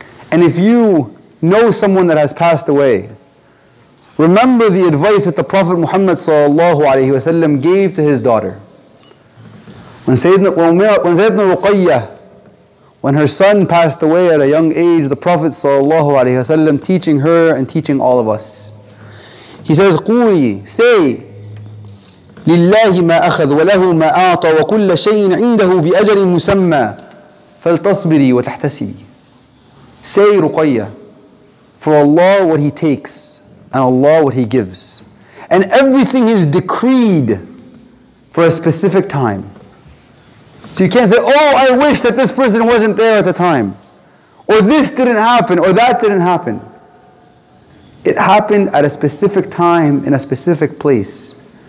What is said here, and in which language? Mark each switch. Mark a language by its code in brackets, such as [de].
[en] And if you know someone that has passed away, remember the advice that the Prophet Muhammad sallallahu alaihi wasallam gave to his daughter. When Sayyidina Ruqayyah, when her son passed away at a young age, the Prophet sallallahu alaihi wasallam teaching her and teaching all of us, he says, "Quli, say, [ar] لله ما أخذ وله ما أعطى وكل شيء عنده بأجل مسمى فلتصبري وتحتسبي. [en] Say Ruqayya, for Allah what He takes and Allah what He gives. And everything is decreed for a specific time. So you can't say, oh, I wish that this person wasn't there at the time. Or this didn't happen, or that didn't happen. It happened at a specific time, in a specific place.